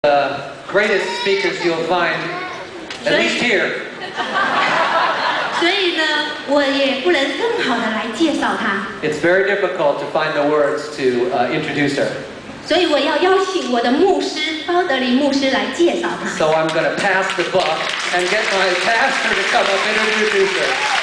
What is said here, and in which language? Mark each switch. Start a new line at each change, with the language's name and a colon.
English: The greatest speakers you'll find, at least here.
Chinese: 所以呢，我也不能更好的来介绍她。
English: It's very difficult to find the words to introduce her.
Chinese: 所以我要邀请我的牧师，包德林牧师来介绍她。
English: So I'm going to pass the buck and get my pastor to come up and introduce her.